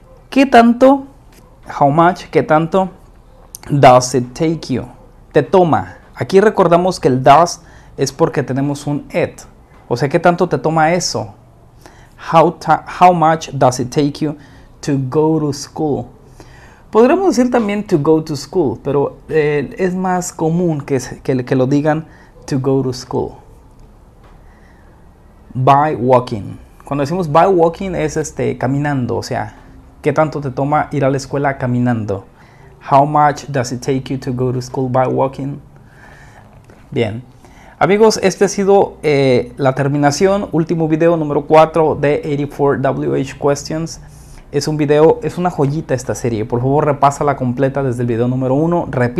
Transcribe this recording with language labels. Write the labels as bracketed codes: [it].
[es] ¿Qué tanto? [en] How much? [es] ¿Qué tanto? [en] Does it take you? [es] ¿Te toma? Aquí recordamos que el does es porque tenemos un it. O sea, ¿qué tanto te toma eso? [en] How much does it take you to go to school? [es] Podríamos decir también [en] to go to school, [es] pero es más común que lo digan [en] to go to school. By walking. [es] Cuando decimos [en] by walking [es] es caminando, o sea, ¿qué tanto te toma ir a la escuela caminando? [en] How much does it take you to go to school by walking? [es] Bien. Amigos, este ha sido la terminación, último video número 4 de 84WH Questions. Es una joyita esta serie. Por favor, repásala completa desde el video número 1.